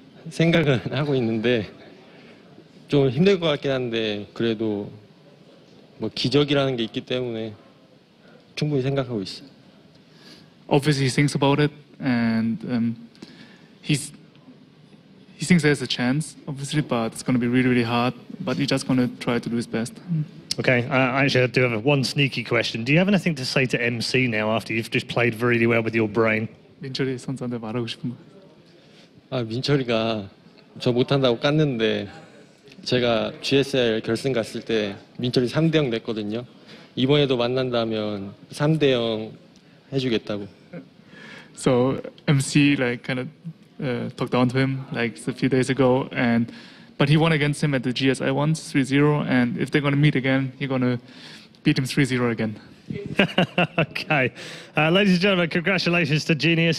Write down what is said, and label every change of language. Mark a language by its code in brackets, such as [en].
[ko] 생각은 하고 있는데 좀 힘들 것 같긴 한데 그래도 뭐 기적이라는 게 있기 때문에 충분히 생각하고 있어. [en] Obviously he thinks about it and He thinks there's a chance, obviously, but it's going to be really, really hard. But he's just going to try to do his best. Okay, actually, I do have one sneaky question. Do you have anything to say to MC now after you've just played really well with your brain? [ko] 민철이 선수한테 말하고 싶은 거. 아 민철이가 저 못한다고 깠는데 제가 GSL 결승 갔을 때 민철이 3대 0 냈거든요. 이번에도 만난다면 3대 0 해주겠다고. [en] So MC like kind of talked down to him like a few days ago, and but he won against him at the GSI once 3-0, and if they're gonna meet again, he's gonna beat him 3-0 again. Okay, ladies and gentlemen, congratulations to Genius.